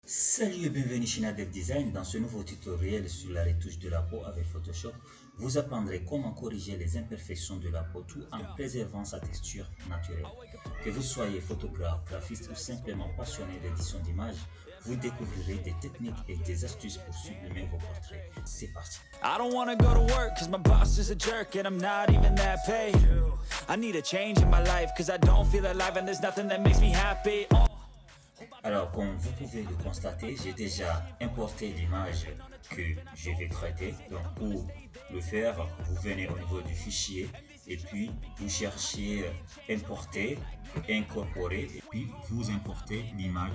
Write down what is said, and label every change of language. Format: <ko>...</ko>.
<fr>Salut et bienvenue chez Nadev Design. Dans ce nouveau tutoriel sur la retouche de la peau avec Photoshop, vous apprendrez comment corriger les imperfections de la peau tout en préservant sa texture naturelle. Que vous soyez photographe, graphiste ou simplement passionné d'édition d'images, vous découvrirez des techniques et des astuces pour sublimer vos portraits. C'est parti.</fr> <en>I don't wanna go to work cause my boss is a jerk and I'm not even that paid. I need a change in my life cause I don't feel alive and there's nothing that makes me happy.</en> <fr>Alors, comme vous pouvez le constater, j'ai déjà importé l'image que je vais traiter. Donc, pour le faire, vous venez au niveau du fichier et puis vous cherchez importer, incorporer et puis vous importez l'image.</fr>